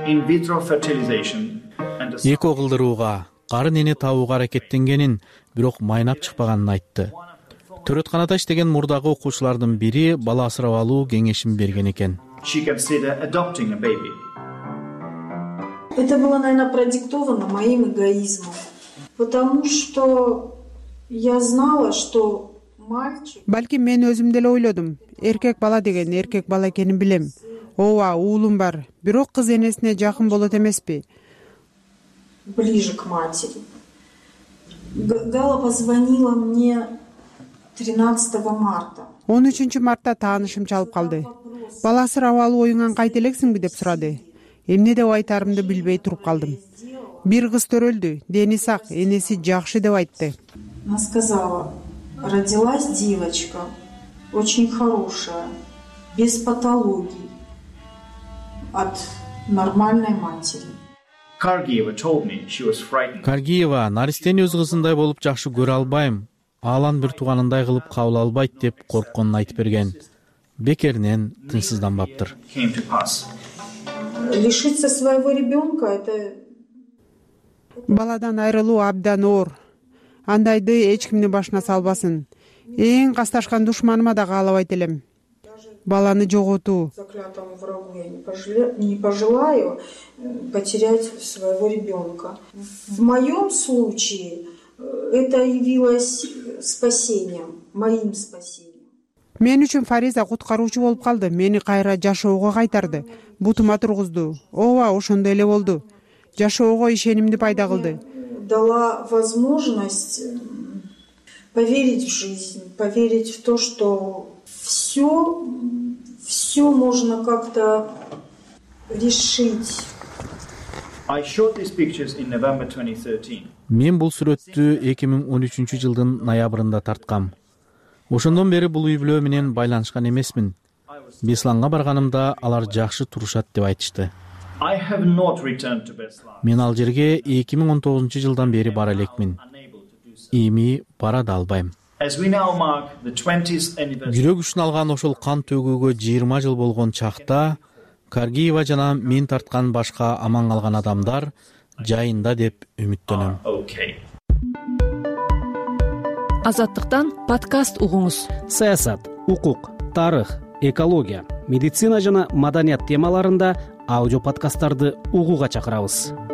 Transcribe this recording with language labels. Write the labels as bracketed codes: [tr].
[ky] Эко кылдырууга, карын эне табууга аракеттенгенин, бирок майнап чыкпаганын айтты. Төрөтканада иштеген мурдагы окуучулардын бири бала асырап алуу кеңешин берген экен. [en] She considered adopting a baby. [ru] Это было, наверное, продиктовано моим эгоизмом. Потому что я знала, что мальчик. [ky] Балким мен өзүм деле ойлодум. Эркек бала деген эркек бала экенин билем. Ооба, уулум бар. Бирок кыз энесине жакын болот эмеспи? [ru] Ближе к матери. Гала позвонила мне 13 марта. [ky] 13 мартта таанышым чалып калды. Бала асырап алуу оюнан кайта элексиңби деп сурады. Эмне деп айтарымды билбей туруп калдым. Бир кыз төрөлдү, дени сак, энеси жакшы деп айтты. [ru] Она сказала: "Родилась девочка очень хорошая, без патологий от нормальной матери". [en] Каргиева told me she was frightened. [ky] Каргиева наристени өз кызындай болуп жакшы көрө албайм. Алан бир туугандай кылып кабыл албайт деп коркконун айтып берген. Бекеринен тынсызданбаптыр. [ru] Лишиться своего ребёнка это [ky] баладан айрылуу абдан оор. Андайды эч кимдин башына салбасын. Эң касташкан душманыма да каалабайт элем. Баланы жоготуу. [ru] Заклятому врагу я не пожелаю потерять своего ребёнка. В моём случае это явилось спасением, моим спасением. [ky] Мен үчүн Фариза куткаруучу болуп калды, мени кайра жашоого кайтарды, бутума тургузду. Ооба, ошондой эле болду. Жашоого ишенимди пайда кылды. [ru] Дала возможность поверить в жизнь, поверить в то, что всё можно как-то решить. [en] I shot these pictures in November 2013. [ky] Мен бул сүрөттү 2013 жылдын ноябрында тарткам. Ошондон бери бул үй бүлө менен байланышкан эмесмин. Бесланга барганымда алар жакшы турушат деп айтышты. [en] I have not returned to Beslan. [ky] Мен ал жерге 2019 жылдан бери бара элекмин. Эми бара да албайм. [en] As we now mark the 20th anniversary. [ky] Жүрөк үчүн алган ошол кан төгүүгө 20 жыл болгон чакта Каргиева жана мен тарткан башка аман калган адамдар жайында деп үмүттөнөм. Азаттыктан подкаст угуңуз. Саясат, укук, тарых, экология, медицина жана маданият темаларында аудио подкасттарды угууга чакырабыз.